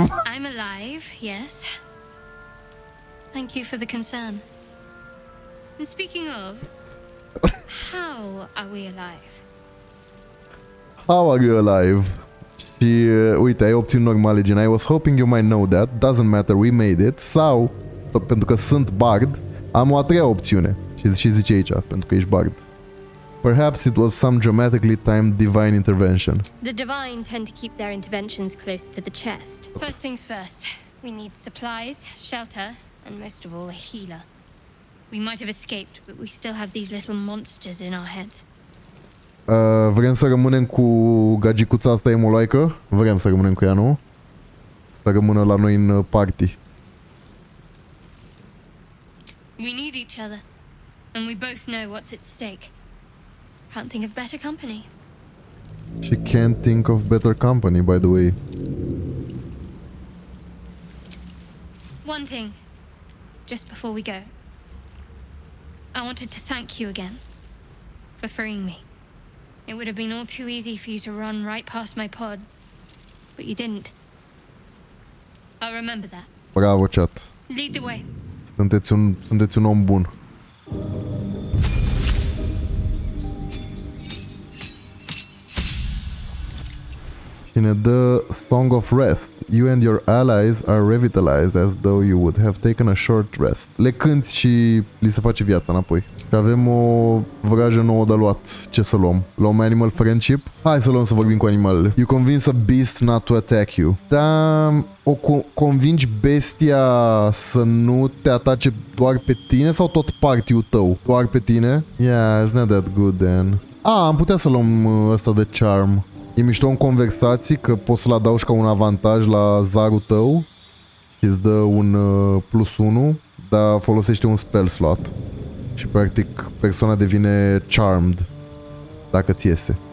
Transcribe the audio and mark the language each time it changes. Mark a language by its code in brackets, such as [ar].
[en] I'm alive, yes. Thank you for the concern. And speaking of, how are we alive? How are you alive? [ro] Și uite, ai opțiuni normale, gen, [en] I was hoping you might know that. Doesn't matter, we made it. [ro] Sau, pentru că sunt bard, am o a treia opțiune. Și zice aici, pentru că ești bard. [en] Perhaps it was some dramatically timed divine intervention. The divine tend to keep their interventions close to the chest. First things first, we need supplies, shelter, and most of all, a healer. We might have escaped, but we still have these little monsters in our heads. [ro] Vrem să rămânem cu gagicuța asta emuloică? Vrem să rămânem cu ea, nu? Să rămână la noi în party. [en] We need each other, and we both know what's at stake. Can't think of better company. She can't think of better company, by the way. One thing, just before we go. I wanted to thank you again for freeing me. It would have been all too easy for you to run right past my pod, but you didn't. I'll remember that. [ro] Bravo, chat. [en] Lead the way. [ro] Sunteți un om bun. [en] In the Song of Rest, you and your allies are revitalized as though you would have taken a short rest. [ro] Le cânt și li se face viața înapoi. Și avem o vrajă nouă de luat. Ce să luăm? Luăm animal friendship? Hai să luăm să vorbim cu animalele. [en] You convince a beast not to attack you. [ro] Da, o convingi bestia să nu te atace doar pe tine sau tot party-ul tău? Doar pe tine? [en] Yeah, it's not that good then. [ro] Ah, am putea să luăm ăsta de charm. E mișto în conversații că poți să-l adaugi ca un avantaj la zarul tău și îți dă un plus 1, dar folosește un spell slot și practic persoana devine charmed dacă ți iese.